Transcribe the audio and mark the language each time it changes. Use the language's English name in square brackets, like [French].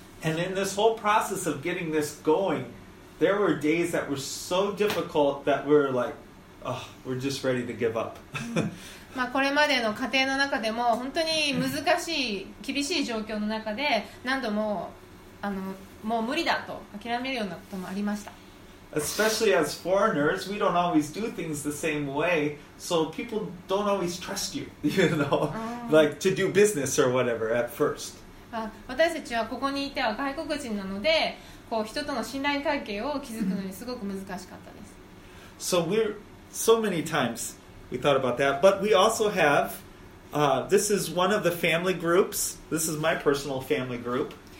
[English] And in this whole process of getting this going, there were days that were so difficult that we're like, oh, we're just ready to give up. [Japanese] これまでの過程の中でも本当に難しい厳しい状況の中で何度ももう無理だと諦めるようなこともありました。 [English] Especially as foreigners, we don't always do things the same way, so people don't always trust you, you know, like to do business or whatever at first. [Japanese] 私たちはここにいては外国人なので、こう人との信頼関係を築くのにすごく難しかったです。 [English] So we're so many times. We thought about that, but we also have. This is one of the family groups. This is my personal family group.